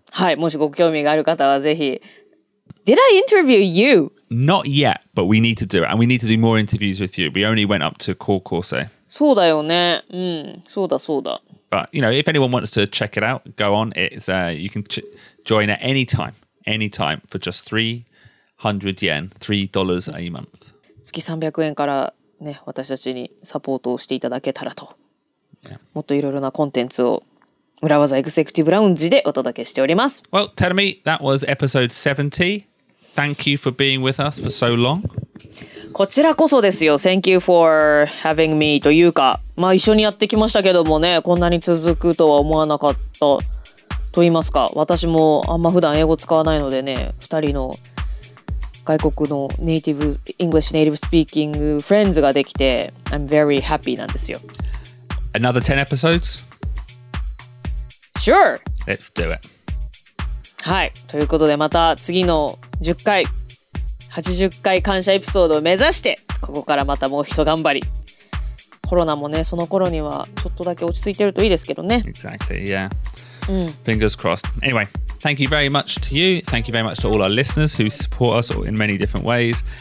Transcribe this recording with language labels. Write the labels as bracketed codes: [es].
[ja] はい、もしご興味がある方はぜひ。 [en] Did I interview you? Not yet, but we need to do it. And we need to do more interviews with you. We only went up to Kōkōsei. [ja] そうだよね。うん、そうだそうだ。 [en] But, you know, if anyone wants to check it out, go on. It's, you can join at any time. Any time for just 300 yen. $3 a month. [ja] 月300円からね、私たちにサポートをしていただけたらと。 [en] Yeah. [ja] もっといろいろなコンテンツを裏技エグゼクティブラウンジでお届けしております。 [en] Well, Tedemi, that was episode 70. Thank you for being with us for so long. [ja] こちらこそですよ。 [en] Thank you for having me [ja] というか、一緒にやってきましたけどもね、こんなに続くとは思わなかったと言いますか、私もあんま普段英語使わないのでね、二人の外国のネイティブ、 [en] English native speaking friends [ja] ができて、 [en] I'm very happy [ja] なんですよ。 [en] Another 10 episodes? Sure! Let's do it. [ja] はい、ということでまた次の10回、80回感謝エピソードを目指して、ここからまたもう一頑張り。コロナもね、その頃にはちょっとだけ落ち着いてるといいですけどね。 [en] Exactly, yeah. Fingers crossed. Anyway, thank you very much to you. Thank you very much to all our listeners who support us in many different ways.